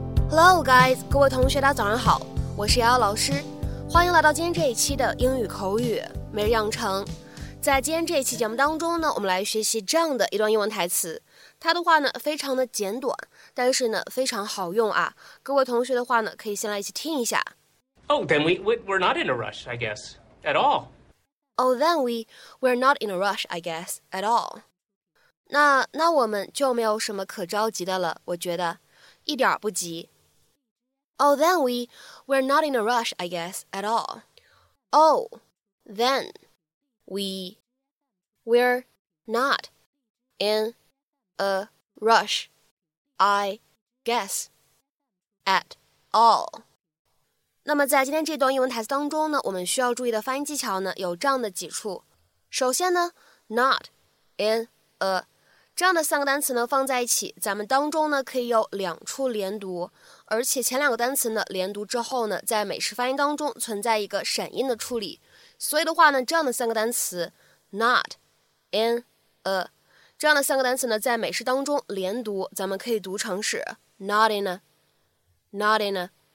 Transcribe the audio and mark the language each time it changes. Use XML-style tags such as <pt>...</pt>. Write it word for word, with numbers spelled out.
<en>Hello guys，</en> <zh>各位同学大家早上好，我是瑶瑶老师，欢迎来到今天这一期的英语口语每日养成。在今天这一期节目当中呢，我们来学习这样的一段英文台词，它的话呢非常的简短，但是呢非常好用啊。各位同学的话呢，可以先来一起听一下。</zh> <en>Oh, then we we're not in a rush, I guess, at all. Oh, then we we're not in a rush, I guess, at all.</en> <zh>那那我们就没有什么可着急的了，我觉得一点不急。</zh> <en>Oh, then we we're not in a rush, I guess, at all. Oh, then we we're not in a rush, I guess, at all.</en> <zh>那么在今天这段英文台词当中呢，我们需要注意的发音技巧呢，有这样的几处。首先呢 ，not in a 这样的三个单词呢放在一起，咱们当中呢可以有两处连读，而且前两个单词呢连读之后呢，在美式发音当中存在一个闪音的处理，所以的话呢，这样的三个单词 not in a 这样的三个单词呢，在美式当中连读，咱们可以读成是 not in a, not in a。</zh>